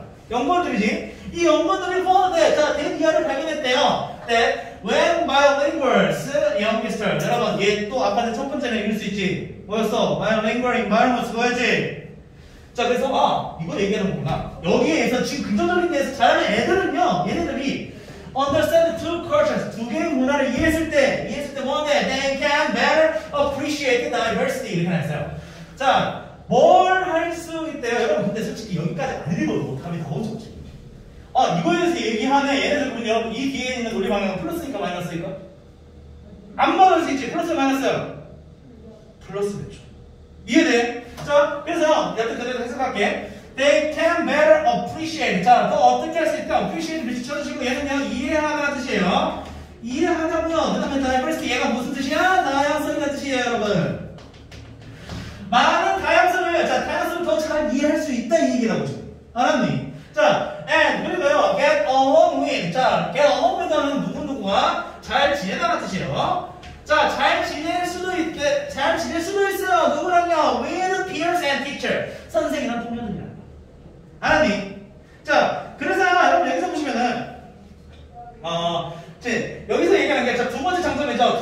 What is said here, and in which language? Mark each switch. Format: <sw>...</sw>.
<ko>연관들이지. 이 연관들을 보는데 자 대기하를 발견했대요. 네.</ko> <en>When my language youngster</en> <ko>여러분 얘 또 아까는 첫 번째는 읽을 수 있지. 뭐였어?</ko> <en>My language environment</en> <ko>뭐였지? 자 그래서 아 이거 얘기하는 거구나. 여기에서 지금 긍정적인 데서 자라는 애들은요 얘네들이</ko> <en>understand two cultures</en> <ko>두 개의 문화를 이해했을 때 뭐하네</ko> <en>they can better appreciate the diversity</en> <ko>이렇게 나왔어요. 자 뭘 할 수 있대요 여러분. 근데 솔직히 여기까지 안 읽어도 답이 나오죠. 아 이거에서 얘기하네. 얘네들 보면 여러분 이 뒤에 있는 논리 방향은 플러스니까 마이너스니까 안 받을 수 있지. 플러스 마이너스 플러스겠죠. 이해돼? 자 그래서 여튼 그대로 해석할게.</ko> <en>They can better appreciate.</en> <ko>자, 더 어떻게 할 수 있다? Appreciate 미치 쳐주시고 얘는 그냥 이해하다는 뜻이에요. 이해하다고요. 그 다음에 diversity 얘가 무슨 뜻이야? 다양성이란 뜻이에요 여러분. 많은 다양성을 자 다양성을 더 잘 이해할 수 있다 이 얘기라고 지금 알았니?</ko> <en>자 and</en> <ko>그리고요</ko> <en>get along with.</en> <ko>자 get along with는 누구누구와 잘 지내다는 뜻이에요. 자, 잘 지낼 수도 있어요. 누구랑요?</ko> <en>With peers and teacher.</en> <ko>선생이랑 동료들이랑. 알았니? 자, 그래서 여러분 여기서 보시면은, 이제, 여기서 얘기하는 게, 자, 두 번째 장점이죠.</ko>